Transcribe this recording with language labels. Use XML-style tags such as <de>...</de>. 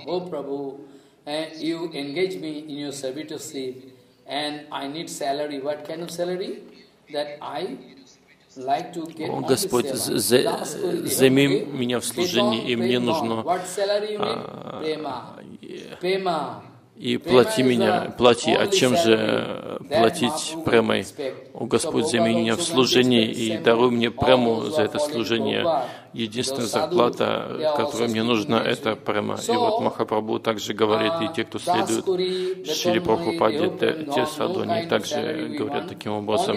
<ru>О Прабху,</ru> <en>you engage me in your servitorship and I need salary. What kind of salary? That I like to get.</en> <ru>О Господь, займи меня в служении, и мне нужно.</ru> <en>What salary you mean? Према. Према.</en> <ru>и плати меня, плати, а чем же платить премой? О Господь, займи меня в служении и даруй мне прему за это служение. Единственная зарплата, которая мне нужна, это према. И вот Махапрабху также говорит, и те, кто следует Шри Прабхупаде, те саду, они также говорят таким образом.</ru>